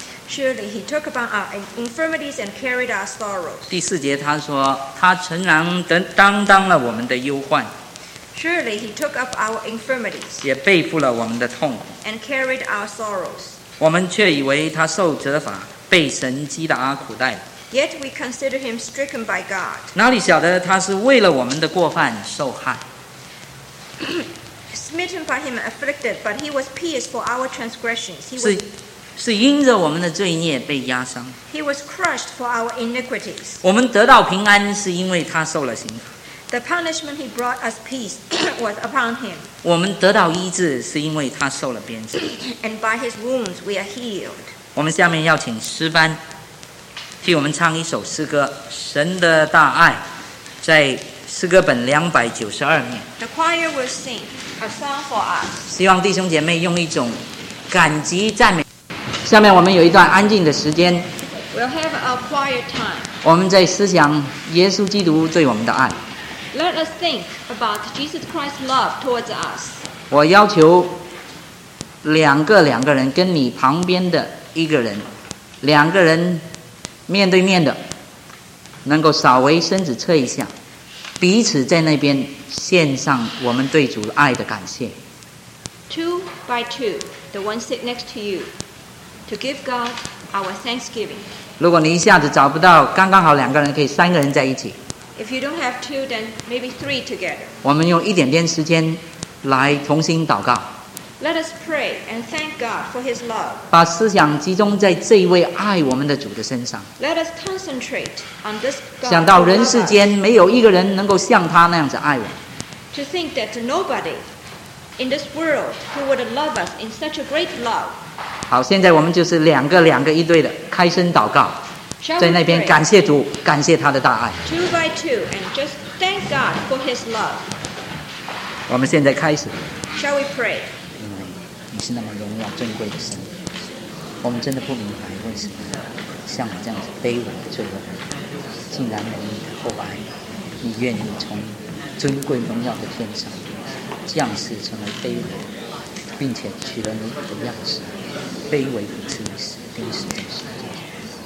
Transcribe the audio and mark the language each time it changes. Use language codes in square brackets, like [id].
[en] surely he took upon our infirmities and carried our sorrows. [zh] 第四节他说, 他诚然担当了我们的忧患, [en] surely he took up our infirmities, [zh] 也背负了我们的痛苦, [en] and carried our sorrows. [zh] 我们却以为他受责罚, 被神击打苦待, [en] yet we consider him stricken by God. [zh] 哪里晓得他是为了我们的过犯受害, [en] smitten by him and afflicted, but he was pierced for our transgressions. [zh] 是因着我们的罪孽被压伤, [en] he was crushed for our iniquities. [zh] 我们得到平安是因为他受了刑罚, [en] the punishment he brought us peace was upon him. [zh] 我们得到医治是因为他受了鞭子, [en] and by his wounds we are healed. [zh] 我们下面要请诗班替我们唱一首诗歌, 神的大爱, 在诗歌本 292面。 [en] The choir will sing a song for us. [zh] 希望弟兄姐妹用一种感激赞美。下面我们有一段安静的时间, [en] we'll have a quiet time. [zh] 我们在思想耶稣基督对我们的爱。 [en] Let us think about Jesus Christ's love towards us. [zh] 我要求两个人跟你旁边的一个人，两个人面对面的，能够稍微伸指测一下，彼此在那边献上我们对主爱的感谢。 [en] Two by two, the one sit next to you, to give God our thanksgiving. [zh] 如果你一下子找不到，刚刚好两个人，可以三个人在一起。 [en] If you don't have two, then maybe three together. [zh] 我们用一点点时间来同心祷告。 [en] Let us pray and thank God for His love. [zh] 把思想集中在这一位爱我们的主的身上。 [en] Let us concentrate on this God. [zh] 想到人世间没有一个人能够像他那样子爱我。 [en] To think that nobody in this world who would love us in such a great love. [zh] 好，现在我们就是两个一对的开声祷告。 [en] Shall、 [zh] 在那边感谢主，感谢他的大爱。 [en] Two by two and just thank God for His love. [zh] 我们现在开始。 [en] Shall we pray? [zh] 是那么荣耀尊贵的神，我们真的不明白为什么像我这样子卑微的罪人，竟然蒙你的厚爱，你愿意从尊贵荣耀的天上降世成为卑微，并且取了你的样式，卑微不至于死，钉死在十字架。